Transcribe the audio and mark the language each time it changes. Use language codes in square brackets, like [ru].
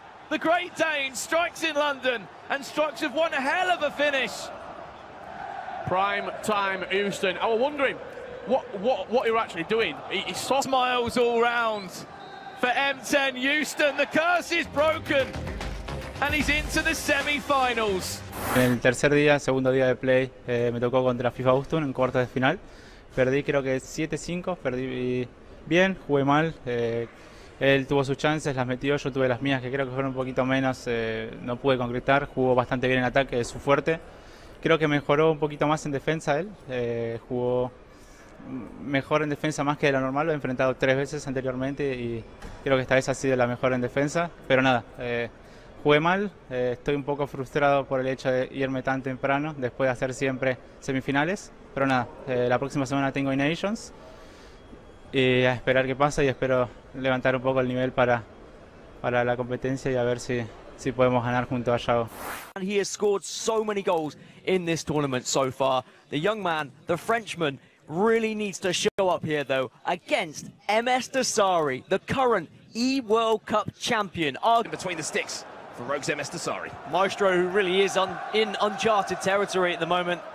[en] The Great Dane strikes in London and strikes with one hell of a finish. Prime time Houston. I was wondering what you're actually doing. He saw smiles all round for M10 Houston. The curse is broken and he's into the semi-finals. [es] El tercer día, segundo día de play, me tocó contra FIFA Houston en cuartos de final. Perdí creo que 7-5, perdí y... Bien, jugué mal, él tuvo sus chances, las metió, yo tuve las mías que creo que fueron un poquito menos, no pude concretar, jugó bastante bien en ataque, es su fuerte. Creo que mejoró un poquito más en defensa él, jugó mejor en defensa más que de lo normal, lo he enfrentado 3 veces anteriormente y creo que esta vez ha sido la mejor en defensa, pero nada, jugué mal, estoy un poco frustrado por el hecho de irme tan temprano, después de hacer siempre semifinales, pero nada, la próxima semana tengo Nations. Y a esperar qué pasa y espero levantar un poco el nivel para la competencia y a ver si podemos ganar junto a Yao. [en] And he has scored so many goals in this tournament so far. The young man, the Frenchman, really needs to show up here though against MS Dosari, the current E-World Cup champion. In between the sticks for Rogue's MS Dosari. Maestro, who really is in uncharted territory at the moment.